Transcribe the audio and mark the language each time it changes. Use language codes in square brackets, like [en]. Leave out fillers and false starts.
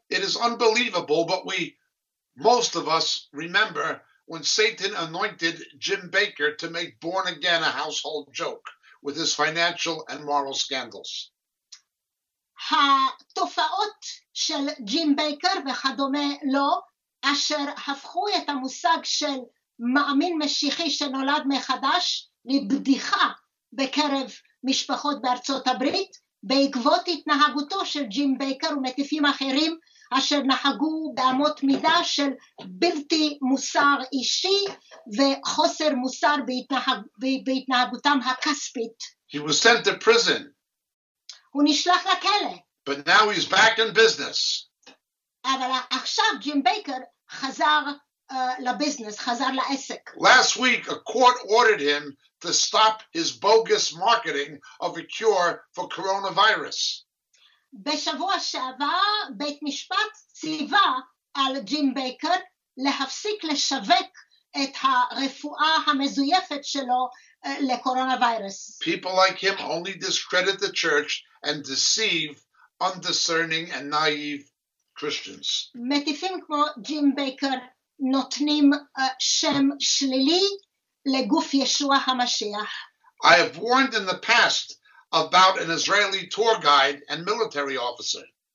[en] It is unbelievable, but we, most of us, remember when Satan anointed Jim Baker to make Born Again a household joke with his financial and moral scandals. [he] התופעות של ג'ים בייקר וכדומה לו, אשר הפכו את המושג של מאמין משיחי שנולד מחדש לבדיחה בקרב משפחות בארצות הברית, בעקבות התנהגותו של ג'ים בייקר ומטיפים אחרים אשר נהגו באמות מידה של בלתי מוסר אישי וחוסר מוסר בהתנהגותם הכספית. [en] He was sent to prison. [he] הוא נשלח לכלא. [en] But now he's back in business. [he] אבל עכשיו ג'ים בייקר חזר לביזנס, חזר לעסק. [en] Last week a court ordered him to stop his bogus marketing of a cure for coronavirus. [he] בשבוע שעבר בית משפט ציווה על ג'ים בייקר להפסיק לשווק את הרפואה המזויפת שלו לקורונה-וירוס. [en] People like him only discredit the church and deceive undiscerning and naive Christians. [he] מטיפים כמו ג'ים בייקר נותנים שם שלילי לגוף ישוע המשיח. [en] I have warned in the past about an Israeli tour guide and military officer.